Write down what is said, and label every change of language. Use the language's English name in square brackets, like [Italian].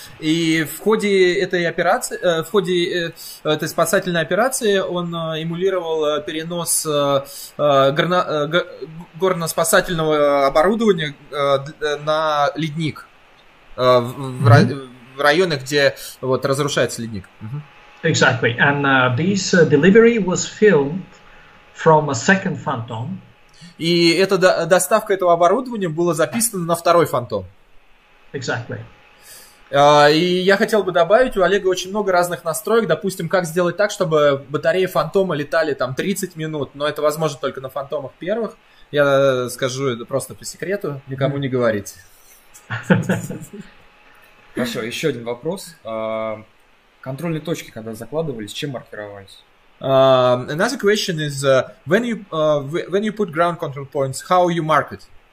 [Russian] И в ходе этой операции, в ходе этой спасательной операции, он эмулировал перенос горно-спасательного оборудования на ледник в районах, где вот разрушается ледник. [English] Exactly, and this delivery was filmed from a second Phantom. [Russian] И эта доставка этого оборудования была записана на второй Phantom. [English] Exactly. [Russian] И я хотел бы добавить, у Олега очень много разных настроек, допустим, как сделать так, чтобы батареи Фантома летали там 30 минут, но это возможно только на Фантомах первых, я скажу это просто по секрету, никому не говорите. Хорошо, еще один вопрос. Контрольные точки, когда закладывались, чем маркировались? [English] Another question is, when you put ground control points, how you mark it?